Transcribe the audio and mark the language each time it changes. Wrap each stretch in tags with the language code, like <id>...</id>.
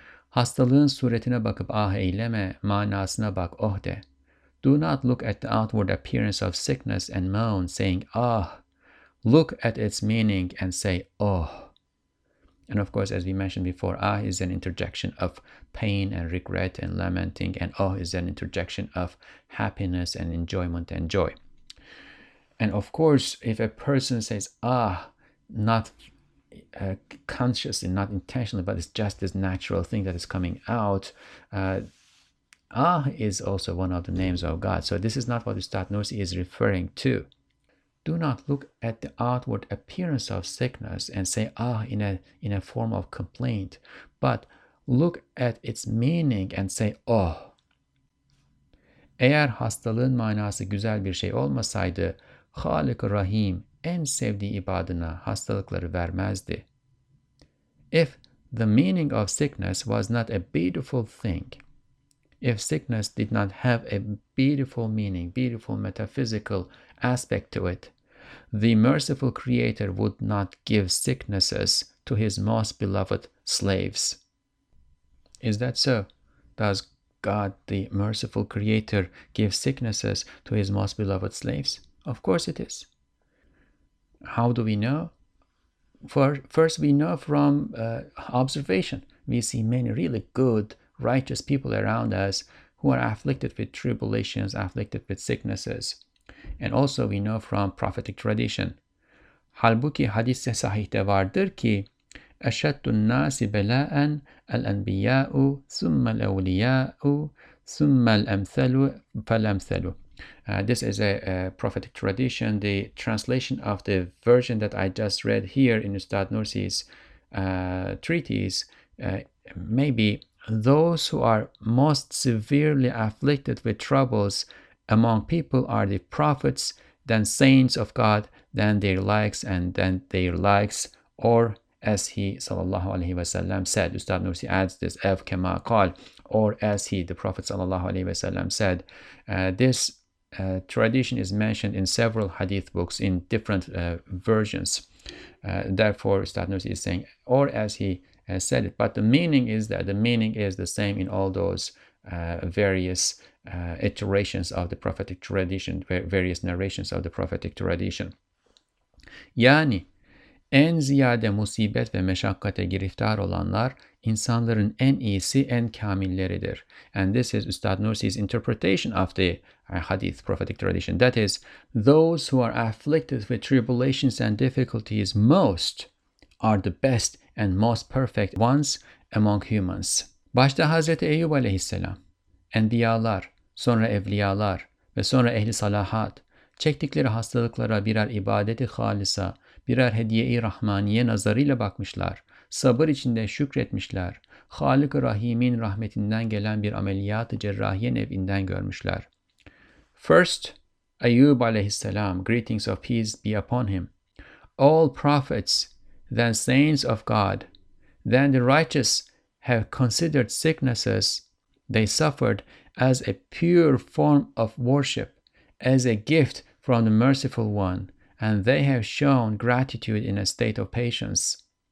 <tr>Hastalığın suretine bakıp ah eyleme, manasına bak oh de.</tr> <en>Do not look at the outward appearance of sickness and moan, saying, ah. Look at its meaning and say, oh. And of course, as we mentioned before, ah is an interjection of pain and regret and lamenting, and oh is an interjection of happiness and enjoyment and joy. And of course, if a person says ah, not consciously, not intentionally, but it's just this natural thing that is coming out, ah is also one of the names of God. So this is not what Ustad Nursi is referring to. Do not look at the outward appearance of sickness and say ah in a form of complaint, but look at its meaning and say oh.</en> <tr>Eğer hastalığın manası güzel bir şey olmasaydı, Halik-i Rahim en sevdiği ibadına hastalıkları vermezdi.</tr> <en>If the meaning of sickness was not a beautiful thing, if sickness did not have a beautiful meaning, beautiful metaphysical aspect to it, the merciful creator would not give sicknesses to his most beloved slaves. Is that so? Does God, the merciful creator, give sicknesses to his most beloved slaves? Of course it is. How do we know? First, we know from observation. We see many really good, righteous people around us who are afflicted with tribulations, afflicted with sicknesses. And also we know from prophetic tradition.</en> <tr>Halbuki hadis-i sahihte vardır ki</tr> <ar>اَشَدُّ النَّاسِ بَلَاءً الْاَنْبِيَاءُ ثُمَّ الْاَوْلِيَاءُ ثُمَّ الْاَمْثَلُ فَالْاَمْثَلُ.</ar> <en>This is a prophetic tradition. The translation of the version that I just read here in Ustad Nursi's treatise may be those who are most severely afflicted with troubles among people are the prophets, then saints of God, then their likes, and then their likes, or as he sallallahu alaihi wasallam said, Ustad Nursi adds this,</en> <ar>"Ev kema qal,"</ar> <en>or as he, the prophet sallallahu alaihi wasallam said. This tradition is mentioned in several hadith books in different versions. Therefore, Ustad Nursi is saying, "Or as he has said it," but the meaning is the same in all those various iterations of the prophetic tradition, various narrations of the prophetic tradition.</en> <tr>Yani, en ziyade musibet ve meşakkate giriftar olanlar, insanların en iyisi, en kamilleridir.</tr> <en>And this is Ustad Nursi's interpretation of the hadith, prophetic tradition. That is, those who are afflicted with tribulations and difficulties most are the best and most perfect ones among humans.</en> <tr>Başta Hazreti Eyyub aleyhisselam, enbiyalar, sonra evliyalar ve sonra ehli salahat, çektikleri hastalıklara birer ibadeti halisa, birer hediye-i rahmaniye nazarıyla bakmışlar, sabır içinde şükretmişler, Halik-i Rahim'in rahmetinden gelen bir ameliyat-ı cerrahiye nevinden görmüşler.</tr> <en>First, Ayyub aleyhisselam, greetings of peace be upon him. All prophets, then saints of God, then the righteous have considered sicknesses they suffered as a pure form of worship, as a gift from the merciful one, and they have shown gratitude in a state of patience.</en>